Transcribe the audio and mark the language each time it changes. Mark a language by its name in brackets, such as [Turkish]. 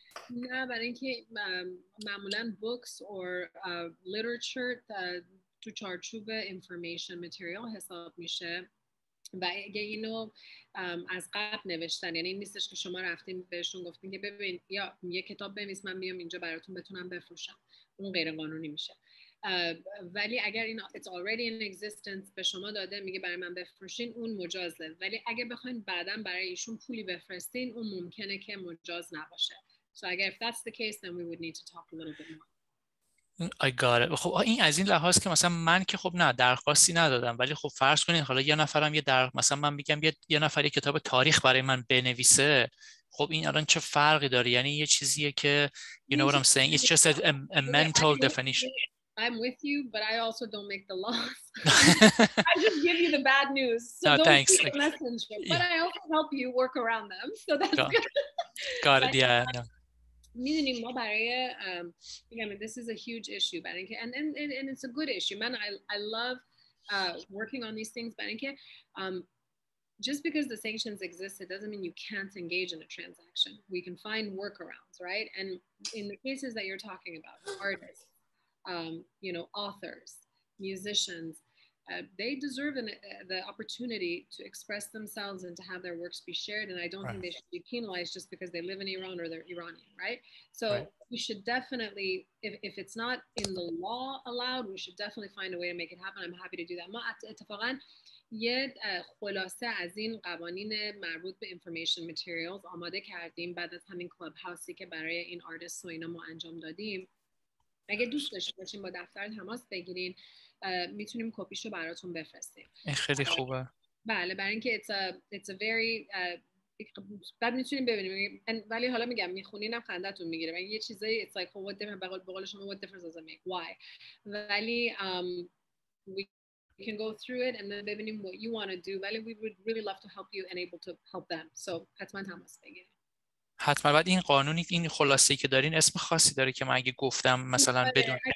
[Persian] نه، برای اینکه معمولا بوکس اور لیترچر تو چارچوب انفورمیشن متریال حساب میشه و اگه اینو از قبل نوشتن، یعنی این نیستش که شما رفتین بهشون گفتین که ببین یا یه کتاب بنویس من میام اینجا براتون بتونم بفروشم، اون غیر قانونی میشه. ولی اگر این [English] it's already in existence [Persian] به شما داده میگه برای من بفروشین، اون مجازه. ولی اگه بخواین بعدم برای ایشون پولی بفرستین، اون ممکنه که مجاز نباشه. [English] So [Persian] اگر [English] if that's the case then we would need to talk a little bit more. I got it. [Persian] خب این از این لحاظ که مثلا من که خب نه درخواستی ندادم، ولی خب فرض کنین حالا یه نفرم یه در مثلا من میگم یه نفر یه کتاب تاریخ برای من بنویسه، خب این الان چه فرقی داره؟ یعنی یه چیزیه که [English] you know what I'm saying, it's just a mental definition. I'm with you but I also don't make the laws. I just give you the bad news. So no, don't thanks. Be a messenger, but yeah. I also help you work around them. So that's good. Got it. Yeah. No. [Persian] میدونیم ما برای [English] this is a huge issue [Persian] برای اینکه [English] and it's a good issue. Man, I love working on these things. [Persian] برای اینکه [English] just because the sanctions exist, it doesn't mean you can't engage in a transaction. We can find workarounds, right? And in the cases that you're talking about, artists, authors, musicians, they deserve the opportunity to express themselves and to have their works be shared. And I don't think they should be penalized just because they live in Iran or they're Iranian, right? So we should definitely, if it's not in the law allowed, we should definitely find a way to make it happen. I'm happy to do that. [Persian] ما اتفاقا یه خلاصه از این قوانین مربوط به information materials آماده کردیم بعد از همین کلاب هاوسی که برای این آرتیست و اینا ما انجام دادیم. اگه دوست داشته باشین با دفتر تماس بگیرین، میتونیم کپیشو براتون بفرستیم. خیلی خوبه. بله، برای اینکه [English] it's a very [Persian] بعد میتونیم ببینیم. ولی حالا میگم میخونینم خندتون میگیره. یه چیزی [English] it's like what the hell [Persian] بقول شما [English] what difference does it make? Why? [Persian] ولی [English] we can go through it and then [Persian] ببینیم [English] what you want to do. [Persian] ولی [English] we would really love to help you and able to help them. [Persian] So حتما تماس بگیرین. حتما. بعد این قانونی این خلاصه‌ای که دارین اسم خاصی داره که من اگه گفتم مثلا بدون